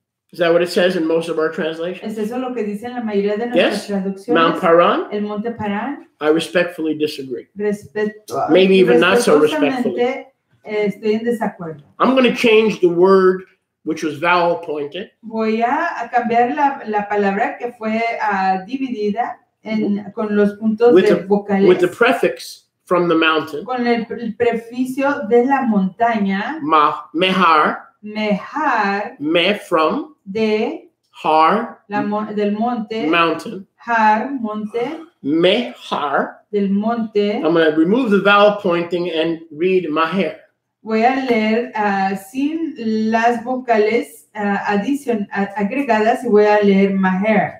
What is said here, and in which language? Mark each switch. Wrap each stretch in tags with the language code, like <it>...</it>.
<en>Is that what it says in most of our translations?</en> <es>¿Es eso lo que dicen la mayoría de nuestras traducciones?</es> <en>Mount Paran.</en> <es>El monte Paran.</es> <en>I respectfully disagree.</en> <es>Respecto.</es> <en>Maybe even not so respectfully.</en> <es>Estoy en desacuerdo.</es> <en>I'm going to change the word. Which was vowel pointed.</en> <es>Voy a cambiar la palabra que fue dividida en con los puntos de vocales.</es> <en>With the prefix from the mountain.</en> <es>Con el prefijo de la montaña.</es> <he>Ma, mehar. Mehar.</he> <en>Me from.</en> <es>De.</es> <he>Har.</he> <es>Del monte.</es> <en>Mountain.</en> <es>Har monte.</es> <he>Mehar.</he> <es>Del monte.</es> <en>I'm going to remove the vowel pointing and read maher.</en> <es>Voy a leer sin las vocales agregadas y voy a leer maher.</es>